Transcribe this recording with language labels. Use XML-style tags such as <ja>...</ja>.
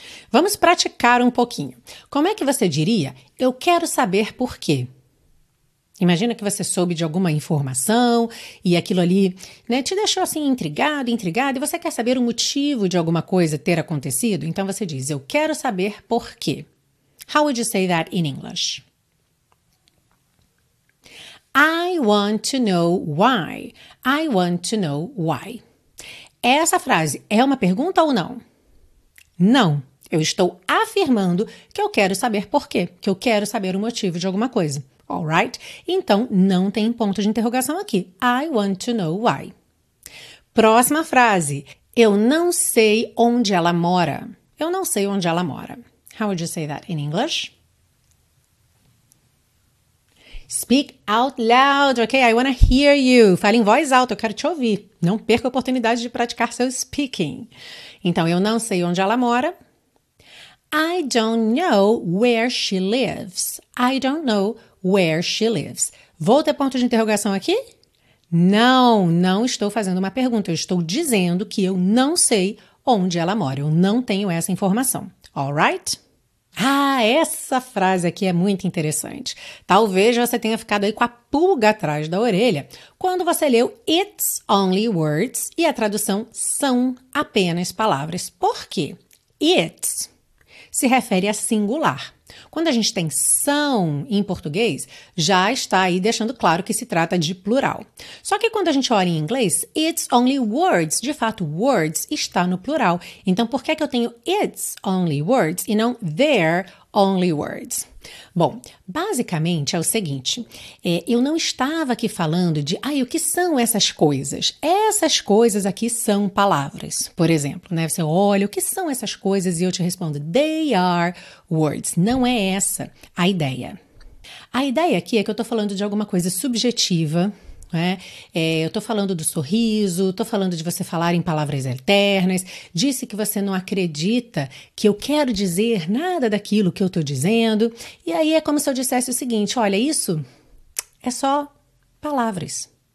<pt>Vamos praticar um pouquinho. Como é que você diria, eu quero saber por quê? Imagina que você soube de alguma informação e aquilo ali, né, te deixou assim intrigado, intrigado, e você quer saber o motivo de alguma coisa ter acontecido. Então você diz, eu quero saber por quê.</pt> <en>How would you say that in English? I want to know why. I want to know why.</en> <pt>Essa frase é uma pergunta ou não? Não. Eu estou afirmando que eu quero saber por quê, que eu quero saber o motivo de alguma coisa. Alright? Então, não tem ponto de interrogação aqui.</pt> <en>I want to know why.</en> <pt>Próxima frase. Eu não sei onde ela mora. Eu não sei onde ela mora.</pt> <en>How would you say that in English? Speak out loud, ok? I want to hear you.</en> <pt>Fale em voz alta, eu quero te ouvir. Não perca a oportunidade de praticar seu speaking. Então, eu não sei onde ela mora.</pt> <en>I don't know where she lives. I don't know where she lives.</en> <pt>Vou ter ponto de interrogação aqui? Não, não estou fazendo uma pergunta. Eu estou dizendo que eu não sei onde ela mora. Eu não tenho essa informação. All right? Ah, essa frase aqui é muito interessante. Talvez você tenha ficado aí com a pulga atrás da orelha quando você leu</pt> <en>It's only words</en> <pt>e a tradução são apenas palavras. Por quê? It se refere a singular. Quando a gente tem são em português, já está aí deixando claro que se trata de plural. Só que quando a gente olha em inglês,</pt> <en>it's only words,</en> <pt>de fato, words está no plural. Então, por que é que eu tenho</pt> <en>it's only words</en> <pt>e não</pt> <en>they're only words?</en> <pt>Bom, basicamente é o seguinte, eu não estava aqui falando de, ai, o que são essas coisas? Essas coisas aqui são palavras, por exemplo, né? Você olha, o que são essas coisas? E eu te respondo,</pt> <en>they are words.</en> <pt>Não é essa a ideia. A ideia aqui é que eu estou falando de alguma coisa subjetiva, né? Eu estou falando do sorriso, estou falando de você falar em palavras eternas, disse que você não acredita que eu quero dizer nada daquilo que eu estou dizendo. E aí é como se eu dissesse o seguinte: olha, isso é só palavras.</pt>